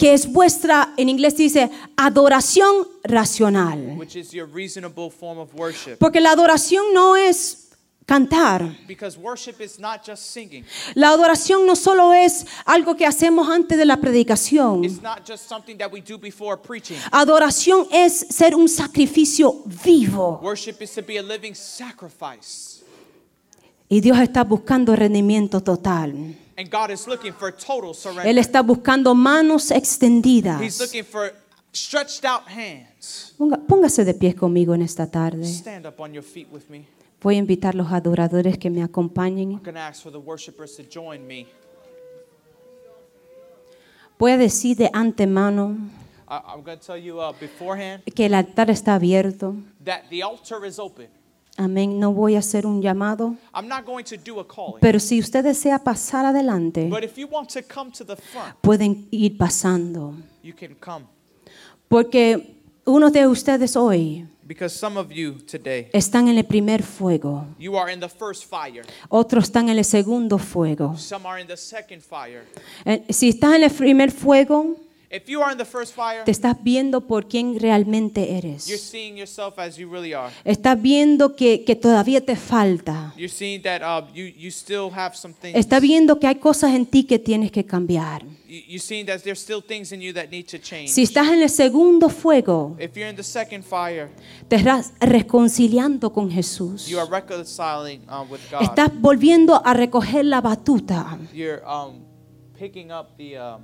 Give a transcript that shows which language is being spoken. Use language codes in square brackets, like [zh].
[es] que es vuestra, en inglés dice, adoración racional. [en] Which is your reasonable form of worship. [es] Porque la adoración no es cantar. [en] Because worship is not just singing. [es] La adoración no solo es algo que hacemos antes de la predicación. [en] It's not just something that we do before preaching. [es] Adoración es ser un sacrificio vivo. [en] Worship is to be a living sacrifice. [es] Y Dios está buscando rendimiento total. [en] And God is looking for total surrender. [es] Él está buscando manos extendidas. [en] He's looking for stretched out hands. [es] Póngase de pie conmigo en esta tarde. [en] Stand up on your feet with me. [es] Voy a invitar los adoradores que me acompañen. [en] I'm going to ask for the worshipers to join me. [es] Voy a decir de antemano. [en] I'm going to tell you beforehand. [es] Que el altar está abierto. [en] That the altar is open. [es] Amén. No voy a hacer un llamado. [en] I'm not going to do a calling. [es] Pero si usted desea pasar adelante, [en] but if you want to come to the front, [es] pueden ir pasando. [en] You can come. [es] Porque uno de ustedes hoy, [en] because some of you today, [es] están en el primer fuego. [en] You are in the first fire. [es] Otros están en el segundo fuego. [en] Some are in the second fire. [es] Si estás en el primer fuego, [en] if you are in the first fire, [es] te estás viendo por quien realmente eres. [en] You're seeing yourself as you really are. [es] Estás viendo que todavía te falta. [en] You're seeing that you still have some things. [es] Estás viendo que hay cosas en ti que tienes que cambiar. [en] You're seeing that there's still things in you that need to change. [es] Si estás en el segundo fuego, [en] if you're in the second fire, [es] te estás reconciliando con Jesús. [en] You are reconciling with God. [es] Estás volviendo a recoger la batuta. [en] You're picking up the